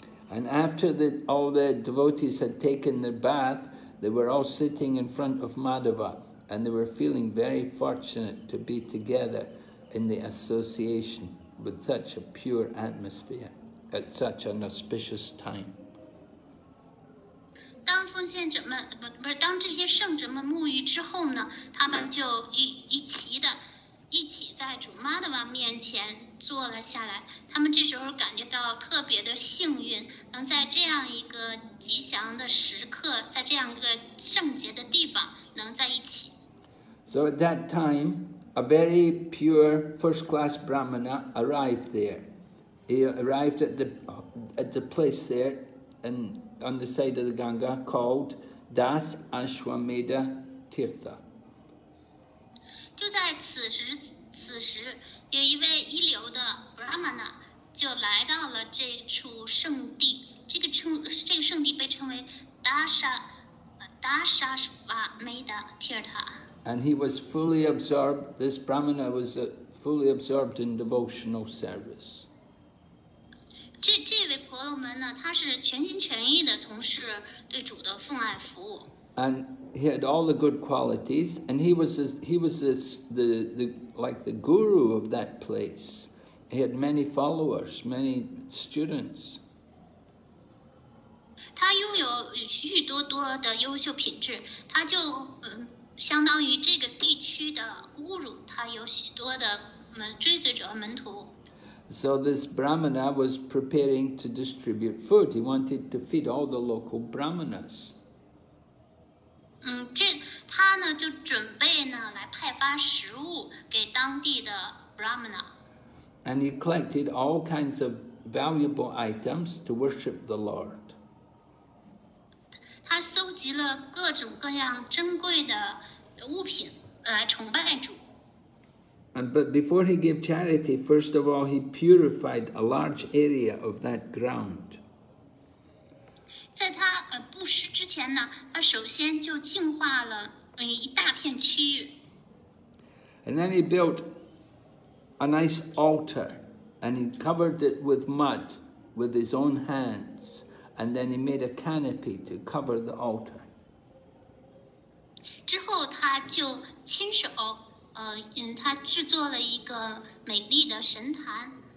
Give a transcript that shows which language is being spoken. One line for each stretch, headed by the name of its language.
English: And after all the devotees had taken their bath, they were all sitting in front of Madhava, and they were feeling very fortunate to be together in the association with such a pure atmosphere at such an auspicious time.
Chinese: 当奉献者们不是当这些圣者们沐浴之后呢，他们就一起在主妈的面前坐了下来。他们这时候感觉到特别的幸运，能在这样一个吉祥的时刻，在这样一个圣洁的地方能在一起。
English: So at that time, a very pure first-class brahmana arrived there. He arrived at the place there and on the side of the Ganga called Das Ashwamedha Tirtha.
Chinese: 就在此时有一位一流的 Brahmana 就来到了这处圣地，这个圣地被称为 Das Ashwamedha Tirtha.
English: And he was fully absorbed, this Brahmana was fully absorbed in devotional service.
Chinese: 这位婆罗门呢，他是全心全意的从事对主的奉爱服务。
English: And he had all the good qualities, and he was like the guru of that place. He had many followers, many students.
Chinese: 他拥有许多多的优秀品质，他就相当于这个地区的 guru， 他有许多的追随者和门徒。
English: So this Brahmana was preparing to distribute food. He wanted to feed all the local Brahmanas.
Chinese: 他呢就准备呢来派发食物给当地的 Brahmana.
English: And he collected all kinds of valuable items to worship the Lord.
Chinese: 他搜集了各种各样珍贵的物品来崇拜主。
English: But before he gave charity, first of all, he purified a large area of that ground.
Chinese: 在他布施之前呢，他首先就净化了一大片区域。
English: And then he built a nice altar, and he covered it with mud with his own hands, and then he made a canopy to cover the altar.
Chinese: 之后他就亲手他制作了一个美丽的神坛，